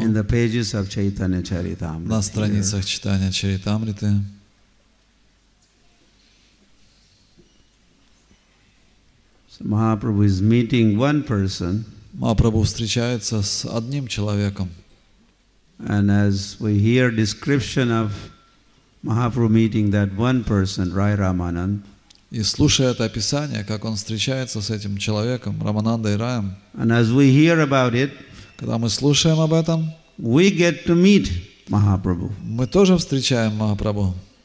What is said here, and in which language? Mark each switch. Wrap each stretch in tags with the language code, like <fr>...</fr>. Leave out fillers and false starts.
<en>In the pages of Chaitanya Charitamrita.</en> <ru>На страницах Чайтанья Чаритамриты.</ru> <en>So Mahaprabhu is meeting one person.</en> <ru>Махапрабху встречается с одним человеком.</ru> <en>And as we hear description of Mahaprabhu meeting that one person, Рай Раманан,</en> <ru>и слушая это описание, как он встречается с этим человеком, Раманандой Раем,</ru> <en>and as we hear about it,</en> <ru>когда мы слушаем об этом,</ru> <en>we get to meet Mahaprabhu.</en> <ru>Мы тоже встречаем Махапрабху.</ru>